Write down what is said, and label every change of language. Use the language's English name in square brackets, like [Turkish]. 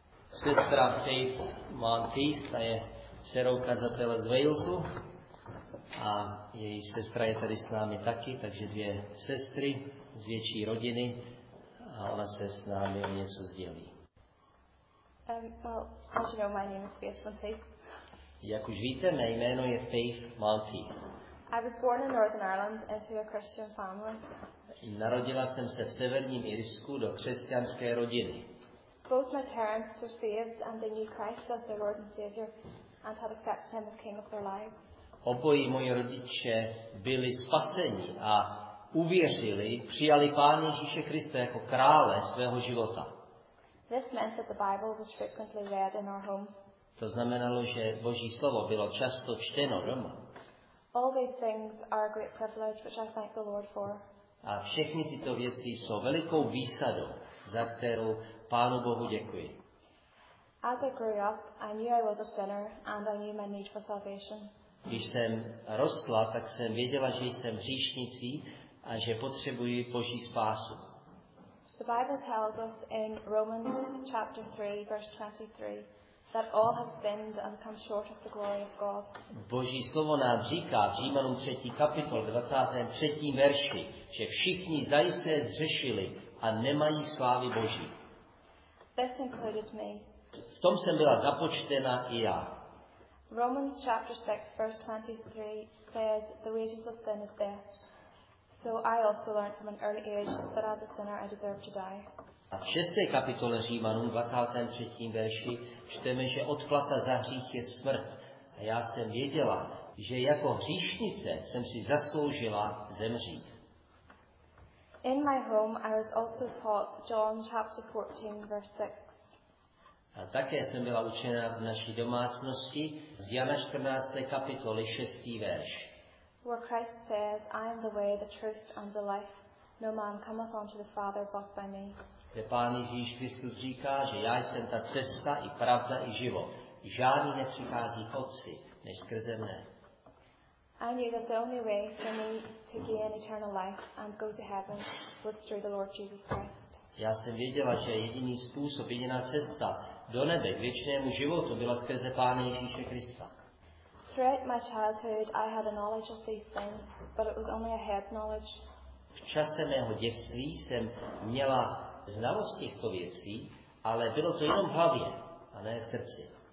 [Czech] sestra Faith Monteith, ta je dcerou kazatele z Walesu a její sestra je tady s námi taky, takže dvě sestry z větší rodiny a ona se s námi o něco sdělí. [English] My name is Faith Monteith. [Czech] Jak už víte, mé jméno je Faith Monteith. [English] I was born in Northern Ireland into a Christian family. [Czech] Narodila jsem se v severním Irsku do křesťanské rodiny. [English] Both my parents were saved and they knew Christ as their Lord and Savior and had accepted Him as King of their lives. [Czech] Oboji moji rodiče byli spaseni a uvěřili, přijali Pána Ježíše Krista jako krále svého života. [English] This meant that the Bible was frequently read in our home. [Czech] To znamenalo, že Boží slovo bylo často čteno doma. [English] All these things are a great privilege, which I thank the Lord for. [Czech] A všechny tyto věci jsou velikou výsadou, za kterou Pánu Bohu děkuji. [English] As I grew up, I knew I was a sinner, and I knew my need for salvation. [Czech] Když jsem rostla, tak jsem věděla, že jsem hříšnicí a že potřebuji Boží spásu. [English] The Bible tells us in Romans chapter 3, verse 23. That all have sinned and come short of the glory of God. [Czech] Boží slovo nám říká v Římanům 3. kapitol 23. verši, že všichni zajisté zřešili a nemají slávy Boží. [English] This included me. [Czech] V tom jsem byla započtena i já. [English] Romans chapter 6 verse 23 says the wages of sin is death. So I also learned from an early age that as a sinner I deserve to die. [Czech] A v 6. kapitole Římanům 23. verši čteme, že odplata za hřích je smrt. A já jsem věděla, že jako hříšnice jsem si zasloužila zemřít. [English] In my home I was also taught John chapter 14 verse 6. [Czech] A také jsem byla učena v naší domácnosti z Jana 14. kapitoly 6. verš. [English] Where Christ says, I am the way, the truth and the life. No man cometh unto the Father but by me. [Czech] Kde Pán Ježíš Kristus říká, že já jsem ta cesta i pravda i život. Žádný nepřichází k Otci, než skrze mne. [English] I knew that the only way for me to gain eternal life and go to heaven was through the Lord Jesus Christ. [Czech] Já jsem věděla, že jediný způsob, jediná cesta do nebe k věčnému životu byla skrze Pána Ježíše Krista. [English] Throughout my childhood I had a knowledge of these things, but it was only a head knowledge. [Czech] V čase mého dětství jsem měla znalost těchto věcí, ale bylo to jenom v hlavě, a ne v srdci.